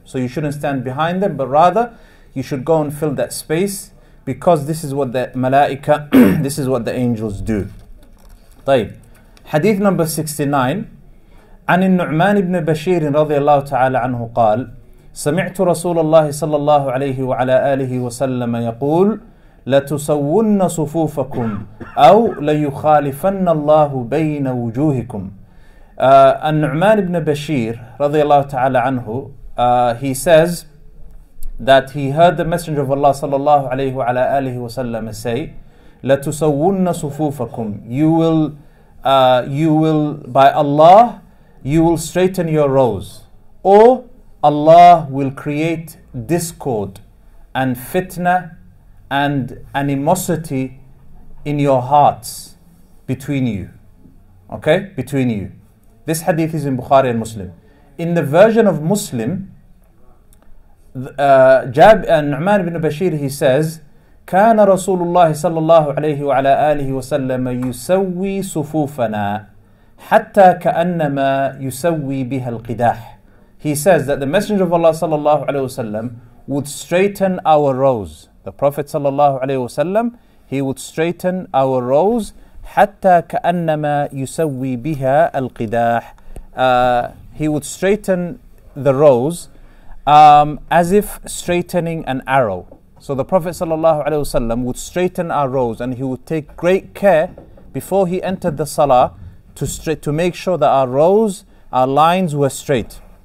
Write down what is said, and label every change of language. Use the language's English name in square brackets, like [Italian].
[English] So you shouldn't stand behind them, but rather you should go and fill that space, because this is what the malaika, this is what the angels do. [Arabic] طيب. [English] Hadith number 69. [Arabic] عن النعمان بن بشير رضي الله تعالى عنه قال سمعت رسول الله صلى الله عليه وعلى آله وسلم يقول لتسون صفوفكم أو ليخالفن الله بين وجوهكم. [English] النعمان بن بشير [Arabic] رضي الله تعالى عنه, [English] he says that he heard the Messenger of Allah صلى الله عليه وعلى آله وسلم say [Arabic] لتسون صفوفكم, [English] you will, by Allah, you will straighten your rows, or Allah will create discord and fitna and animosity in your hearts between you. Okay? Between you. This hadith is in Bukhari and Muslim. In the version of Muslim, [Arabic] Nu'man ibn Bashir, [English] he says, [Arabic] كان رسول الله صلى الله عليه وعلى آله وسلم يسوي صفوفنا حتى كأنما يسوي بها القداح. [English] He says that the Messenger of Allah صلى الله عليه وسلم would straighten our rows. The Prophet صلى الله عليه وسلم, he would straighten our rows [Arabic] حتى كأنما يسوي بها القداح. [English] He would straighten the rows as if straightening an arrow. So the Prophet sallallahu alaihi wasallam would straighten our rows, and he would take great care before he entered the salah to make sure that our lines were straight.